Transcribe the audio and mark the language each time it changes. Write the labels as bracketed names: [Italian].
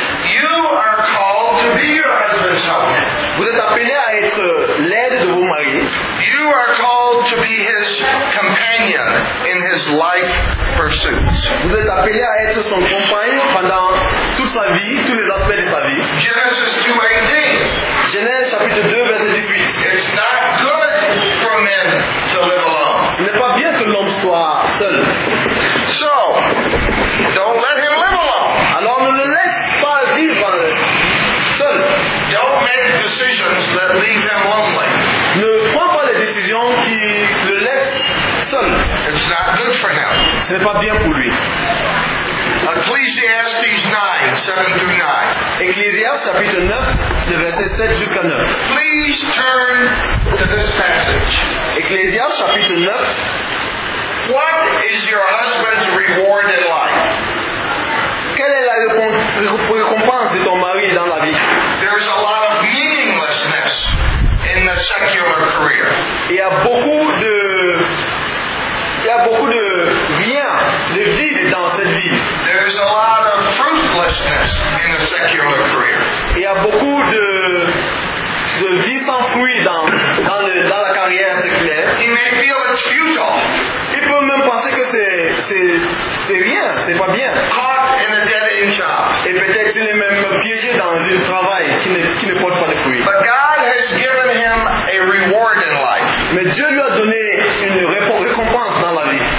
[English] You are called to be your husband's helpmate. [French] Vous êtes appelées à être l'aide de vos maris. [English] You are called to be his companion in his life pursuits. [French] Vous êtes appelé à être son compagnon pendant toute sa vie, tous les aspects de sa vie. [English] Genesis 2:18. [French] Genèse chapitre 2 verset 18. [English] It's not good for men to live alone. [French] Ce n'est pas bien que l'homme soit seul. [English] So, don't let him live alone. [French] Alors ne le laisse pas vivre seul. [English] Don't make decisions that leave him lonely. [French] Ne prends pas les décisions qui le laissent seul. [English] It's not good for him. [French] Ce n'est pas bien pour lui. [English] Ecclesiastes 9, 7 through 9. [French] Ecclesiastes chapitre 9, de verset 7 jusqu'à 9. [English] Please turn to this passage. [French] Ecclesiastes chapitre 9. [English] What is your husband's reward in life? [French] Quelle est la récompense de ton mari dans la vie? [English] There's a lot of meaninglessness in the secular career. [French] Il y a beaucoup de rien de vide dans cette vie. [English] There's a lot of fruitlessness in the secular career. [French] Il y a beaucoup de vie sans fruit dans la carrière séculaire. [English] He may feel it's futile. [French] Il peut même penser que c'est rien, c'est pas bien. [English] Caught in a dead-end job. [French] Et peut-être qu'il est même piégé dans un travail qui ne porte pas de fruit. [English] But God has given him a reward in life. [French] Mais Dieu lui a donné une récompense dans la vie.